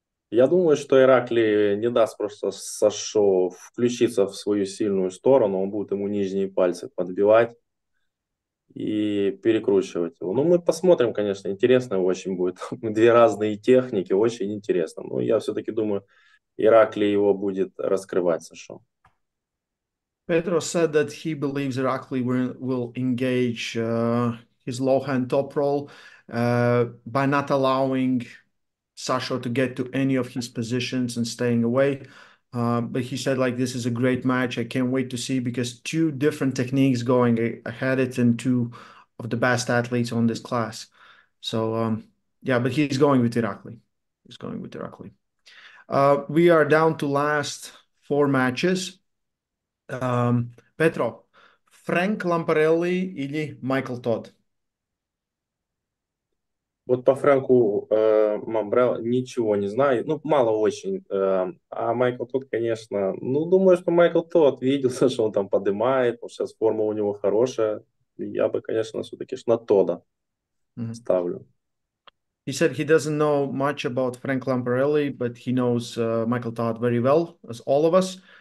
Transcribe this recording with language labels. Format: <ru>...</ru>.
<ru>Я думаю, что Иракли не даст просто Сашо включиться в свою сильную сторону, он будет ему нижние пальцы подбивать. И перекручивать его. Ну, мы посмотрим, конечно, интересно очень будет. Две разные техники, очень интересно. Но я все-таки думаю, Иракли его будет раскрывать, Сашо.</ru> <en>Petro said that he believes Iraqli will engage his low hand top roll by not allowing Sasho to get to any of his positions and staying away. But he said, like, this is a great match. I can't wait to see, because two different techniques going ahead, it and two of the best athletes on this class. So, yeah, but he's going with Irakli. He's going with Irakli. We are down to last four matches. Petro, Frank Lamparelli или Michael Todd?</en> <ru>Вот по Франку Мамбрелла ничего не знаю, ну, мало очень. А Майкл Тодд, конечно, ну, думаю, что Майкл Тодд видел, что он там подымает, потому что сейчас форма у него хорошая. Я бы, конечно, все-таки на Тодда ставлю.</ru> <en>He said he doesn't know much about Frank Lamparelli, but he knows Michael Тодд very well, as all of us.</en>